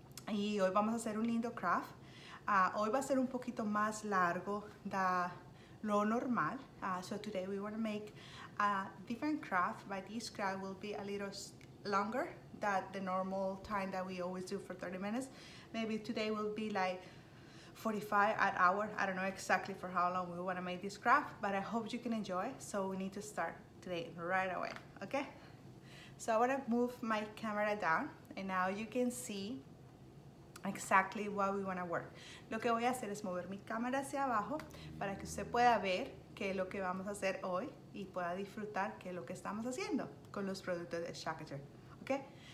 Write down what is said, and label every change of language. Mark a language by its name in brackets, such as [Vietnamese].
[Spanish] Y hoy vamos a hacer un lindo craft. Hoy va a ser un poquito más largo de lo normal. [English] So today we want to make a different craft, but this craft will be a little longer than the normal time that we always do for 30 minutes. Maybe today will be like 45 an hour. I don't know exactly for how long we want to make this craft, but I hope you can enjoy. So we need to start today right away, okay? So I want to move my camera down, and now you can see exactly what we want to work. [Spanish] Lo que voy a hacer es mover mi cámara hacia abajo para que usted pueda ver qué es lo que vamos a hacer hoy y pueda disfrutar qué es lo que estamos haciendo con los productos de Shakatur, okay?